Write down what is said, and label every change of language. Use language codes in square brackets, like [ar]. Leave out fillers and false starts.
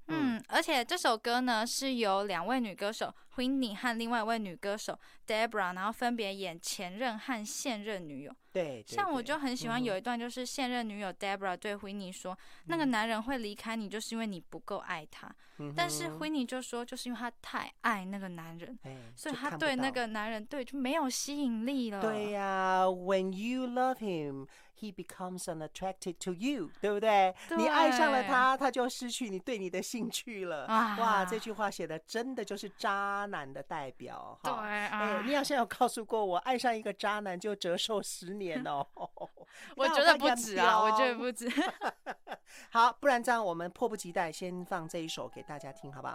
[zh] 嗯， 嗯，而且这首歌呢是由两位女歌手 Whitney 和另外一位女歌手 Debra 然后分别演前任和现任女友。对，像我就很喜欢有一段就是现任女友 Debra 对 Whitney 说、嗯、那个男人会离开你就是因为你不够爱他、嗯、但是 Whitney 就说就是因为他太爱那个男人、欸、所以他对那个男人对就没有吸引力了。对呀、啊、 [en] When you love him he becomes unattracted to you， [zh] 对不 对，对，你爱上了他他就失去你对你的兴趣了、啊、哇，这句话写的真的就是渣男的代表。对、啊欸、你好像有告诉过我爱上一个渣男就折寿十年我觉得不止啊，我觉得不止。好，不然这样我们迫不及待先放这一首给大家听好不好？